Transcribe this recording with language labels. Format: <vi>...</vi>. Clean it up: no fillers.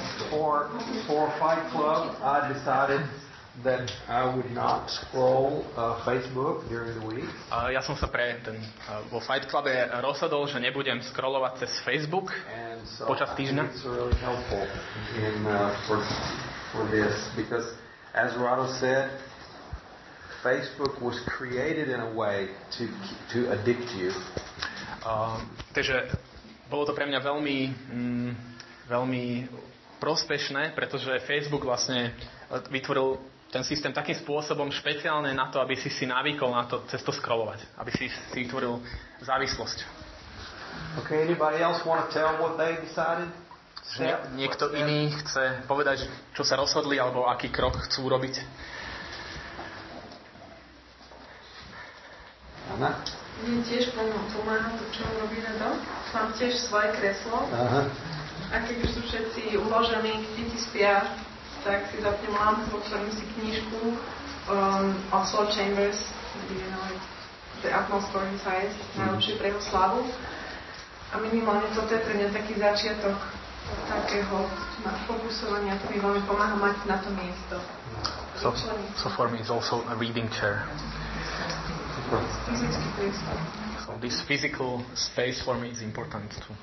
<en>For Fight Club, I decided that I would not scroll Facebook during the week.</en> <sk>Ja som sa pre ten vo Fight Clube rozhodol, že nebudem scrollovať cez Facebook počas týždňa.</sk> <en>It's really helpful in for this because as Rado said, Facebook was created in a way to addict you.</en> <sk>Takže bolo to pre mňa veľmi veľmi prospešné, pretože Facebook vlastne vytvoril ten systém takým spôsobom špeciálne na to, aby si si navykol na to cez to scrollovať, aby si si vytvoril závislosť.</sk> <en>Okay, anybody else want to tell what they decided?</en> <sk>Niekto iný chce povedať, čo sa rozhodli alebo aký krok chcú urobiť? Anna? Mne tiež pomáha to, čo robí Rado. Mám tiež svoje kreslo. Aha. A keď už sú všetci uložení, deti spia, tak si zapnem lampu, otvorím si knižku o Soul Chambers,</sk> <en>you know, The Atmosphere Inside,</en> <sk>najlepšie pre jeho slavu. A minimálne toto je pre mňa taký začiatok takého fokusovania, to mi veľmi pomáha mať na to miesto.</sk> <en>So for me is also a reading chair. So this physical space for me is important too.</en>